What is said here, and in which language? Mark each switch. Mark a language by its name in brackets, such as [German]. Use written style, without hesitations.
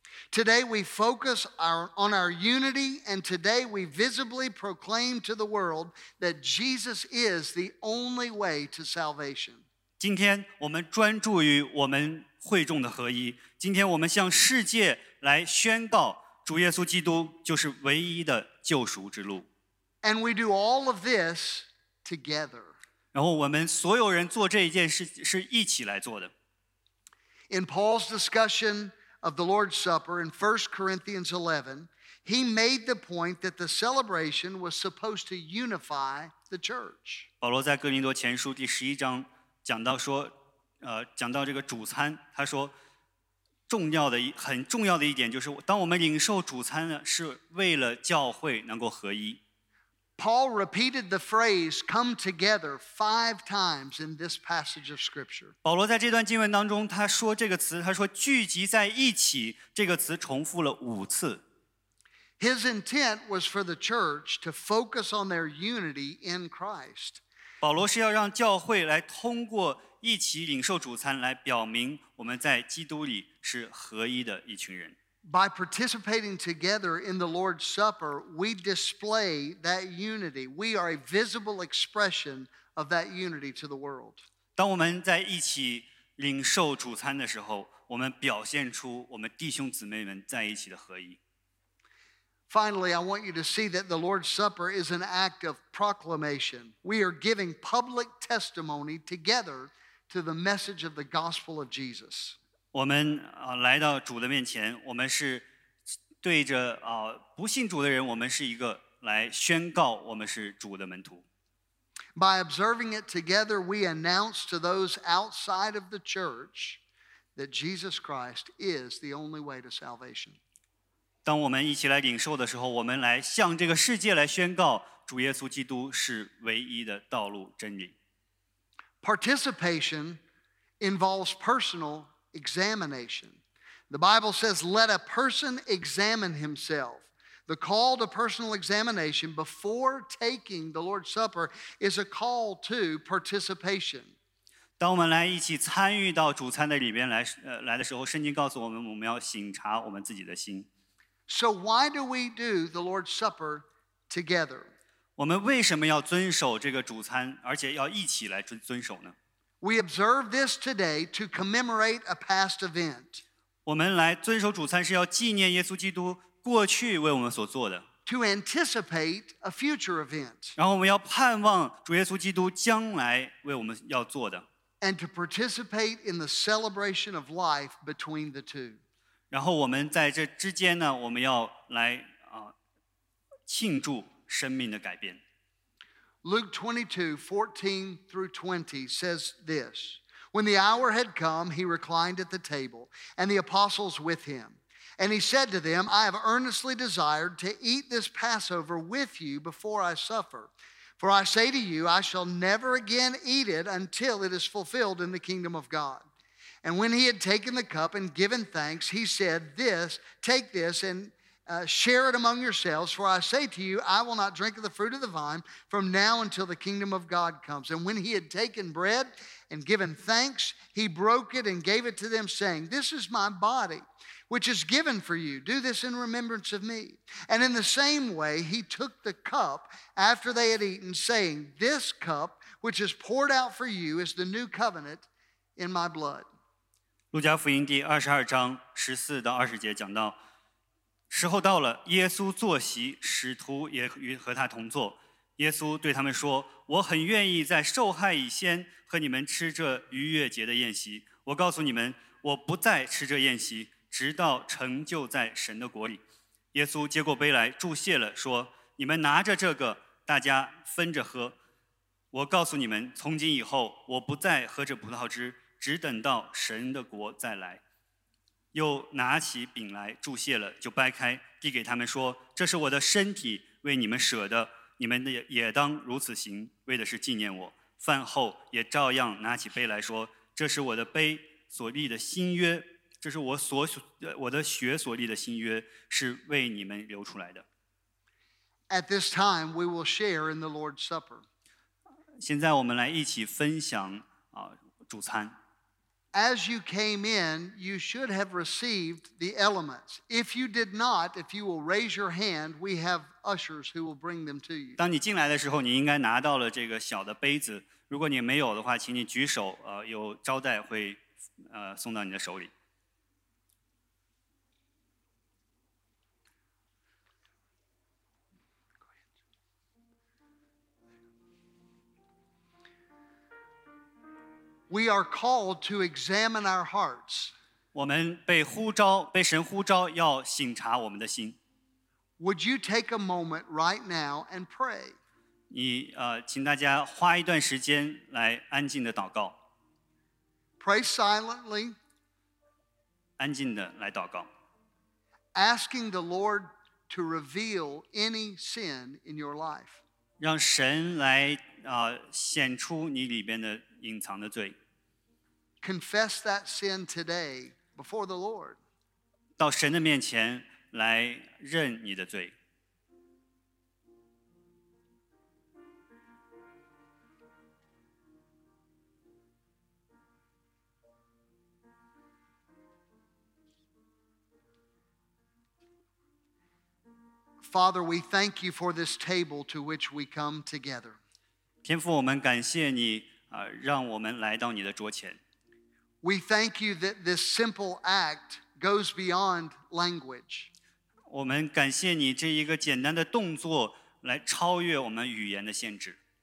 [English] Today we focus on our unity, and today we visibly proclaim to the world that Jesus is the only way to salvation. [Chinese] 今天我们专注于我们会众的合一。今天我们向世界来宣告，主耶稣基督就是唯一的救赎之路。 [English] And we do all of this together. [Chinese] 然后我们所有人做这一件事是一起来做的。 [English] In Paul's discussion of the Lord's Supper in 1 Corinthians 11, he made the point that the celebration was supposed to unify the church. [Chinese] 保罗在哥林多前书第十一章讲到说，讲到这个主餐，他说，很重要的一点就是，当我们领受主餐呢，是为了教会能够合一。 [English] Paul repeated the phrase "come together" 5 times in this passage of scripture. [Chinese] 保罗在这段经文当中，他说这个词，他说聚集在一起，这个词重复了五次。 [English] His intent was for the church to focus on their unity in Christ. [Chinese] 保罗是要让教会来通过一起领受主餐，来表明我们在基督里是合一的一群人。 [English] By participating together in the Lord's Supper, we display that unity. We are a visible expression of that unity to the world. [Chinese] 当我们在一起领受主餐的时候，我们表现出我们弟兄姊妹们在一起的合一。 [English] Finally, I want you to see that the Lord's Supper is an act of proclamation. We are giving public testimony together to the message of the gospel of Jesus. [Chinese] 我们来到主的面前，我们是对着不信主的人，我们是一个来宣告我们是主的门徒。 [English] By observing it together, we announce to those outside of the church that Jesus Christ is the only way to salvation. [Chinese] 当我们一起来领受的时候，我们来向这个世界来宣告主耶稣基督是唯一的道路真理。 [English] Participation involves personal examination. The Bible says, let a person examine himself. The call to personal examination before taking the Lord's Supper is a call to participation. [Chinese] 当我们来一起参与到主餐的里面 来的时候，圣经告诉我们，我们要省察我们自己的心。 [English] So why do we do the Lord's Supper together? [Chinese] 我们为什么要遵守这个主餐，而且要一起来遵守呢？ [English] We observe this today to commemorate a past event. [Chinese] 我们来遵守主餐是要纪念耶稣基督过去为我们所做的。 [English] To anticipate a future event. [Chinese] 然后我们要盼望主耶稣基督将来为我们要做的。 [English] And to participate in the celebration of life between the two. [Chinese] 然后我们在这之间呢，我们要来庆祝生命的改变。 [English] Luke 22:14-20 says this: When the hour had come, he reclined at the table, and the apostles with him. And he said to them, I have earnestly desired to eat this Passover with you before I suffer. For I say to you, I shall never again eat it until it is fulfilled in the kingdom of God. And when he had taken the cup and given thanks, he said, This, take this and share it among yourselves. For I say to you, I will not drink of the fruit of the vine from now until the kingdom of God comes. And when he had taken bread and given thanks, he broke it and gave it to them, saying, This is my body, which is given for you. Do this in remembrance of me. And in the same way, he took the cup after they had eaten, saying, This cup, which is poured out for you, is the new covenant in my blood. [Chinese] 路加福音第二十二章十四到二十节讲到，时候到了，耶稣坐席，使徒也和他同坐。耶稣对他们说，我很愿意在受害以先和你们吃这逾越节的宴席。我告诉你们，我不再吃这宴席，直到成就在神的国里。耶稣接过杯来，祝谢了，说，你们拿着这个，大家分着喝。我告诉你们，从今以后，我不再喝这葡萄汁，只等到神的国再来。又拿起饼来，祝谢了，就掰开，递给他们说，这是我的身体，为你们舍的，你们也当如此行，为的是纪念我。饭后也照样拿起杯来说，这是我的杯，所立的新约，这是我的血所立的新约，是为你们流出来的。 [English] At this time, we will share in the Lord's Supper. [Chinese] 现在我们来一起分享主餐。 [English] As you came in, you should have received the elements. If you did not, if you will raise your hand, we have ushers who will bring them to you. [Chinese] 当你进来的时候，你应该拿到了这个小的杯子。如果你没有的话，请你举手，有招待会送到你的手里。 [English] We are called to examine our hearts. [Chinese] 我们被呼召，被神呼召，要省察我们的心。 [English] Would you take a moment right now and pray? [Chinese] 你请大家花一段时间来安静的祷告。 [English] Pray silently. [Chinese] 安静的来祷告。 [English] Asking the Lord to reveal any sin in your life. [Chinese] 让神来显出你里边的隐藏的罪。 [English] Confess that sin today before the Lord. [Chinese] 到神的面前来认你的罪。 [English] Father, we thank you for this table to which we come together. [Chinese] 天父，我们感谢你让我们来到你的桌前。 [English] We thank you that this simple act goes beyond language. [Chinese] 我们感谢你这一个简单的动作来超越我们语言的限制。